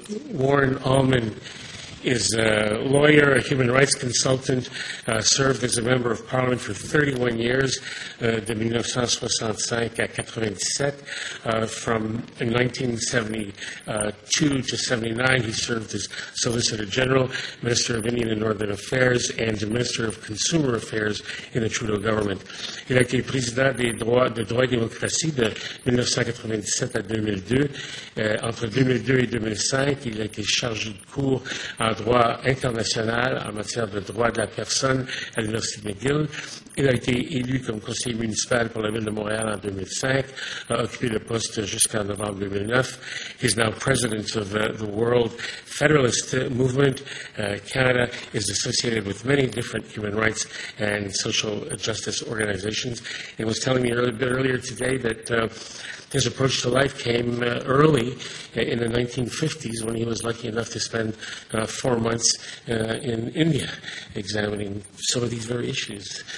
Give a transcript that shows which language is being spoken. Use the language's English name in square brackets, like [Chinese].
[English] Warren Allman is a lawyer, a human rights consultant, served as a member of parliament for 31 years, [French] de 1965 à 97. [English] From 1972 to 79, he served as Solicitor General, Minister of Indian and Northern Affairs, and Minister of Consumer Affairs in the Trudeau government. [French] Il a été président des droits de droit et démocratie de 1997 à 2002. Entre 2002 et 2005, il a été chargé de cours en droit international en matière de droit de la personne à l'Université McGill. Il a été élu comme conseiller municipal pour la ville de Montréal en 2005, a occupé le poste jusqu'en novembre 2009. [English] He is now president of the World Federalist Movement. Canada is associated with many different human rights and social justice organizations. He was telling me a bit earlier today that his approach to life came early in the 1950s when he was lucky enough to spend 4 months in India examining some of these very issues.